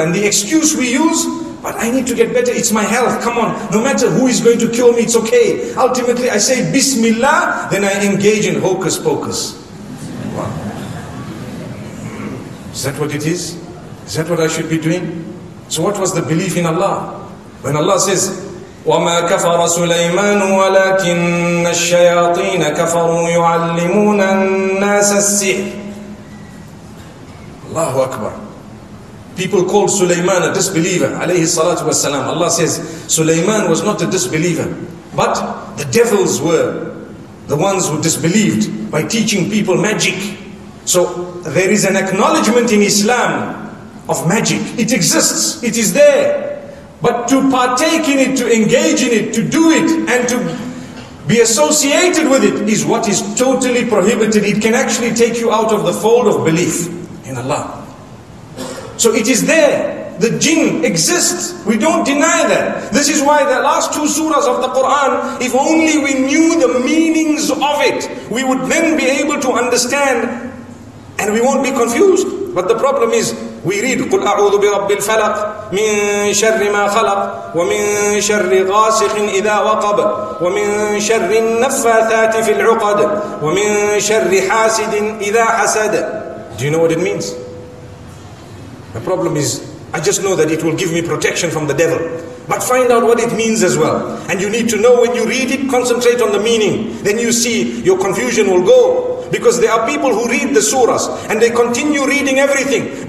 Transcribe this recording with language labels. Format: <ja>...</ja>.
<en>And the excuse we use, but I need to get better, it's my health, come on. No matter who is going to cure me, it's okay. Ultimately, I say Bismillah, then I engage in hocus pocus. Wow. Is that what it is? Is that what I should be doing? So what was the belief in Allah? When Allah says,</en> <ar>وَمَا كَفَرَ سُلَيْمَانُ وَلَكِنَّ الشَّيَاطِينَ كَفَرُوا يُعَلِّمُونَ النَّاسَ السِّحْرَ.</ar> <en>Allahu Akbar. People called Sulaiman a disbeliever, alayhi salatu wasalam. Allah says, Sulaiman was not a disbeliever, but the devils were the ones who disbelieved by teaching people magic. So there is an acknowledgement in Islam of magic. It exists, it is there. But to partake in it, to engage in it, to do it, and to be associated with it is what is totally prohibited. It can actually take you out of the fold of belief in Allah. So it is there. The jinn exists. We don't deny that. This is why the last two surahs of the Quran, if only we knew the meanings of it, we would then be able to understand and we won't be confused. But the problem is, we read,</en> <ar>قُلْ أَعُوذُ بِرَبِّ الْفَلَقِ مِنْ شَرِّ مَا خَلَقَ وَمِنْ شَرِّ غَاسِقٍ إِذَا وَقَبَ وَمِنْ شَرِّ النَّفَّاثَاتِ فِي الْعُقَدِ وَمِنْ شَرِّ حَاسِدٍ إِذَا حَسَدَ.</ar> <en>Do you know what it means? The problem is, I just know that it will give me protection from the devil. But find out what it means as well. And you need to know when you read it, concentrate on the meaning. Then you see your confusion will go. Because there are people who read the surahs and they continue reading everything.</en>